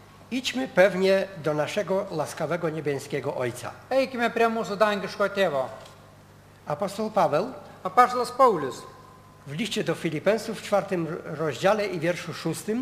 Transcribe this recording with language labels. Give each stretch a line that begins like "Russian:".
Polish: idźmy pewnie do naszego łaskawego niebieskiego Ojca.
Lithuanian: Eikime prie mūsų dangiško tėvo.
Polish: Apostol Paweł,
Lithuanian: apaštalas Paulius,
Polish: w liście do Filipensów w 4 rozdziale i wierszu 6,